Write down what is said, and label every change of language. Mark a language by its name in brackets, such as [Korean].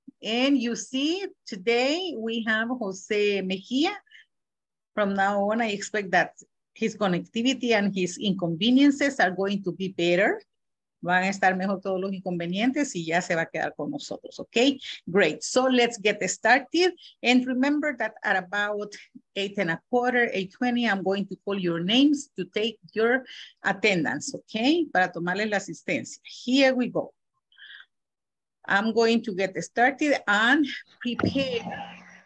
[English] And you see, today we have Jose Mejia. From now on, I expect that his connectivity and his inconveniences are going to be better. [Spanish] Van a estar mejor todos los inconvenientes y ya se va a quedar con nosotros, okay? [English] Great, so let's get started. And remember that at about 8:15, 8:20, I'm going to call your names to take your attendance, okay? [Spanish] Para tomarles la asistencia. [English] Here we go. I'm going to get started and prepare.